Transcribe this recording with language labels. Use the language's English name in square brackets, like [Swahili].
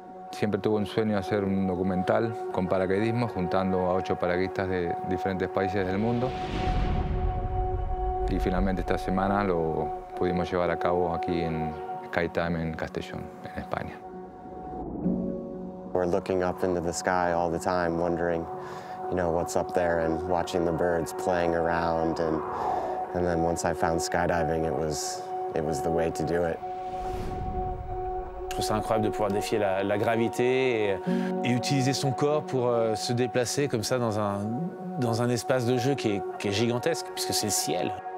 [Spanish] siempre tuvo un sueño de hacer un documental con paracaidismo, juntando a 8 paracaidistas de diferentes países del mundo. Y finalmente esta semana lo pudimos llevar a cabo aquí en Skytime en Castellón, en España. [English] We're looking up into the sky all the time, wondering, you know, what's up there, and watching the birds playing around. And then once I found skydiving, it was the way to do it. [French] Je trouve ça incroyable de pouvoir défier la gravité et utiliser son corps pour se déplacer comme ça dans un espace de jeu qui est gigantesque, puisque c'est le ciel.